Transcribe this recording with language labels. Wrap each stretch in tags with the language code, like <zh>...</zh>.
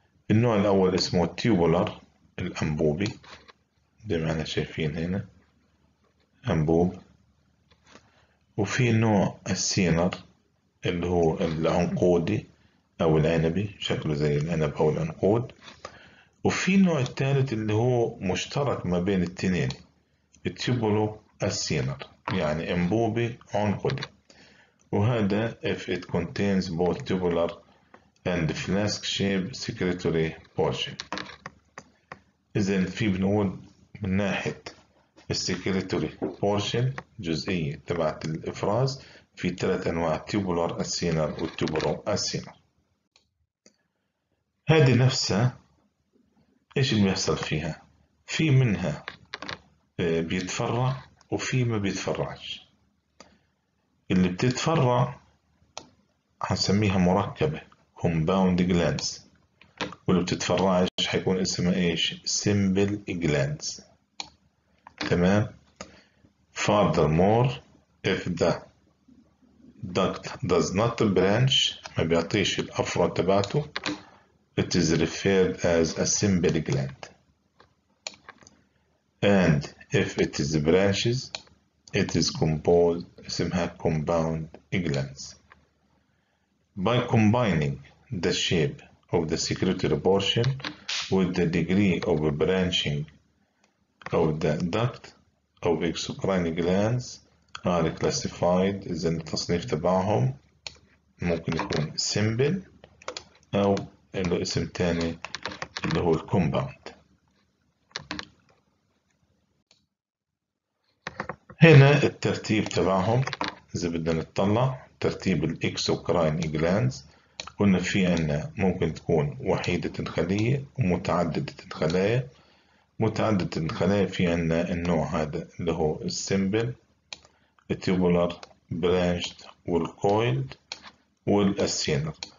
<ar>النوع الأول اسمه تيوبولر الأنبوبي، زي ما احنا شايفين هنا أنبوب، وفي نوع السينر اللي هو العنقودي أو العنبي، شكله زي العنب أو العنقود، وفي النوع الثالث اللي هو مشترك ما بين التنين، التيبولو السينر، يعني انبوبي عنقودي.</ar> <en>وهذا if it contains both tubular and flask shape secretory portion.</en> <ar>اذا في بنقول من ناحية السكريتوري بورشن جزئية تبعت الافراز في ثلاث انواع، تيبولر السينر والتيبولو السينر. هذه نفسها ايش اللي بيحصل فيها؟ في منها بيتفرع وفي ما بيتفرعش. اللي بتتفرع هنسميها مركبة compound glands، واللي بتتفرعش هيكون اسمها ايش؟ simple glands. تمام.</ar> <en>furthermore if the duct does not branch، ما بيعطيش الأفرع تبعته، it is referred as a simple gland. and if it is branches it is composed اسمها compound glands. by combining the shape of the secretory portion with the degree of branching of the duct of exocrine glands are classified، اذا التصنيف تبعهم ممكن يكون simple او له اسم تاني اللي هو compound.</en> <ar>هنا الترتيب تبعهم إذا بدنا نطلع ترتيب الإكسوكراين جلاندز، قلنا في عنا ممكن تكون وحيدة الخلية ومتعددة الخلايا. متعددة الخلايا في عنا النوع هذا اللي هو السيمبل، التيوبولار، برانشد، والكويلد، والأسينر.</ar>